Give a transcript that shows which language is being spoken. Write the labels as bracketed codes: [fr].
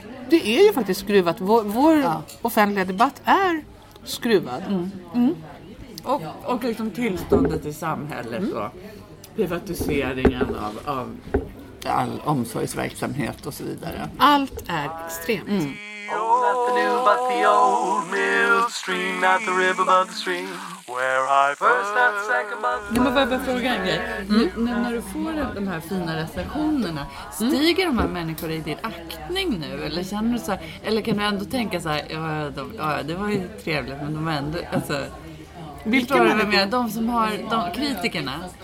[sv] Det är ju faktiskt skruvat. Vår offentliga debatt är skruvad. Mm. Och liksom tillståndet i samhället och privatiseringen av all omsorgsverksamhet och så vidare. Allt är extremt. Mm. [en] Oh, nothing new but the old mill stream, not the river but the stream. [sv] Jag måste bara fråga en grej. Nu när du får de här fina recensionerna, stiger de här människorna i din aktning nu? Eller känner du så här, eller kan du ändå tänka så här, det var ju trevligt, men de är ändå, alltså, vilka är det med? De som har, de kritikerna.